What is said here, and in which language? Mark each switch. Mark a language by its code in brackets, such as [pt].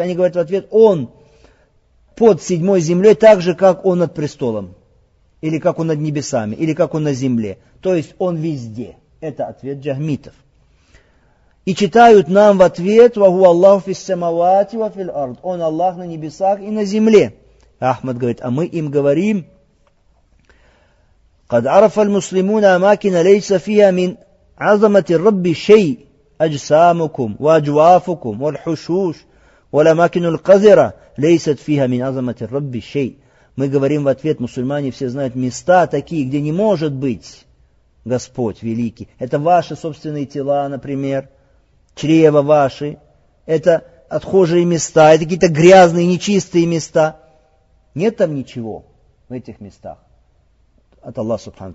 [ru] Они говорят в ответ: «Он под седьмой землей, так же, как он над престолом». Или как он над небесами, или как он на земле. То есть он везде. Это ответ джахмитов. И читают нам в ответ: [ar] «Ва ху Аллаху фиссамавати ва фил ард». [ru] Он Аллах на небесах и на земле. Ахмад говорит: «А мы им говорим: [ar] قد عرف المسلمون أماكن ليس فيها من عظمة الرب شيء أجسامكم وأجوافكم والحشوش والأماكن القذرة ليست فيها من عظمة الرب شيء». [ru] Мы говорим в ответ: мусульмане все знают места такие, где не может быть Господь великий. Это ваши собственные тела, например, чрева ваши, это отхожие места, это какие-то грязные, нечистые места. Нет там ничего в этих местах. От Аллаха Субхану.